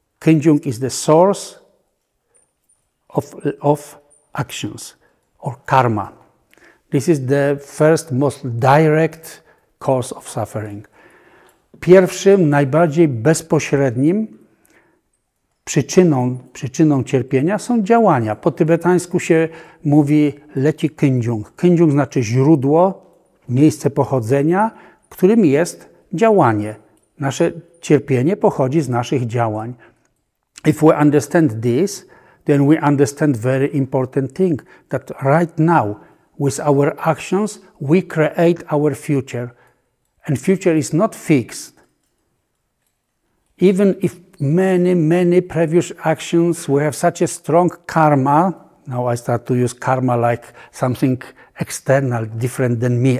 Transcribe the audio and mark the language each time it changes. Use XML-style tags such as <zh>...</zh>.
<en>Kinjung is the source of actions or karma. This is the first, most direct cause of suffering.</en> <pl>Pierwszym, najbardziej bezpośrednim przyczyną cierpienia są działania. Po tybetańsku się mówi Leci Kinjung. Kinjung znaczy źródło, miejsce pochodzenia, którym jest działanie. Nasze cierpienie pochodzi z naszych działań.</pl> <en>If we understand this, then we understand very important thing, that right now, with our actions, we create our future. And future is not fixed. Even if many previous actions, we have such a strong karma, now I start to use karma like something external, different than me.</en>